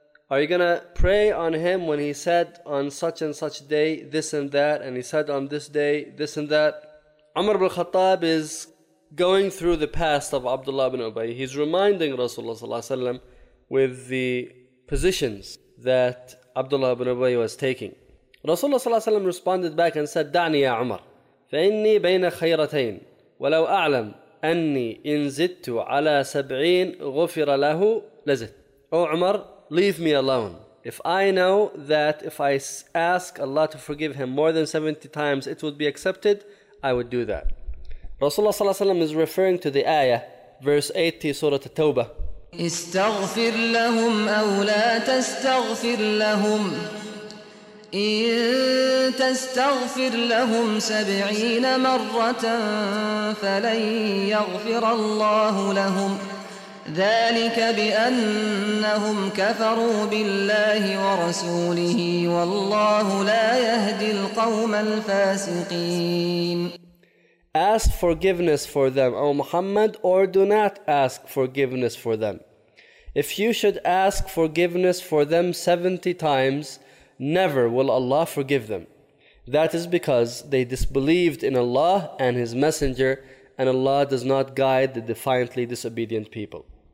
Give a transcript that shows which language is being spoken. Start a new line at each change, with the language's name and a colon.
English: Are you going to pray on him when he said on such and such day this and that, and he said on this day this and that? Umar ibn Khattab is going through the past of Abdullah ibn Ubay. He's reminding Rasulullah sallallahu alayhi wa sallam with the positions that Abdullah ibn Ubay was taking. Rasulullah sallallahu alayhi wa sallam responded back and said,
Arabic: دعني يا عمر فإني بين خيرتين ولو أعلم أني إن زدت على سبعين غفر له لزد.
English: Oh Umar, leave me alone. If I know that if I ask Allah to forgive him more than 70 times it would be accepted, I would do that. Rasulullah sallallahu alayhi wa sallam is referring to the ayah, verse 80, Surah At-Tawbah.
Arabic: استغفر لهم أو لا تستغفر لهم إن تستغفر لهم سبعين مرة فلن يغفر الله لهم ذلك بأنهم كفروا بالله ورسوله والله لا يهدي القوم الفاسقين.
English: Ask forgiveness for them, O Muhammad, or do not ask forgiveness for them. If you should ask forgiveness for them 70 times, never will Allah forgive them. That is because they disbelieved in Allah and His Messenger, and Allah does not guide the defiantly disobedient people.